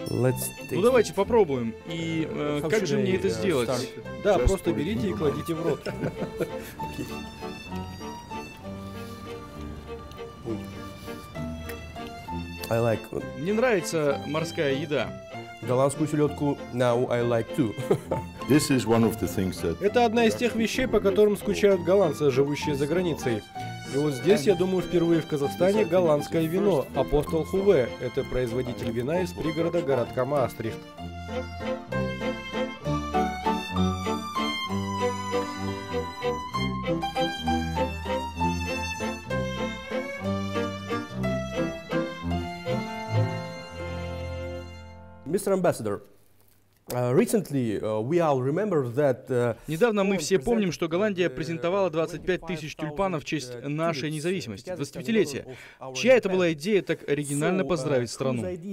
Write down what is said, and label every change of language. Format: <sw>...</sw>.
<ru>Ну давайте попробуем. И как же мне это сделать? Да, просто берите и кладите в рот.</ru> <en>I like.</en> <ru>Мне нравится морская еда. Голландскую селедку</ru> <en>now I like too. This is one of the things that...</en> <ru>Это одна из тех вещей, по которым скучают голландцы, живущие за границей. И вот здесь, я думаю, впервые в Казахстане голландское вино. Апостол Хуве – это производитель вина из пригорода городка Маастрихт. Мистер Амбассадор.</ru> <en>Recently, we all remember that,</en> <ru>недавно мы все помним, что Голландия презентовала 25 тысяч тюльпанов в честь нашей независимости, 25-летия. Чья это была идея так оригинально поздравить страну?</ru>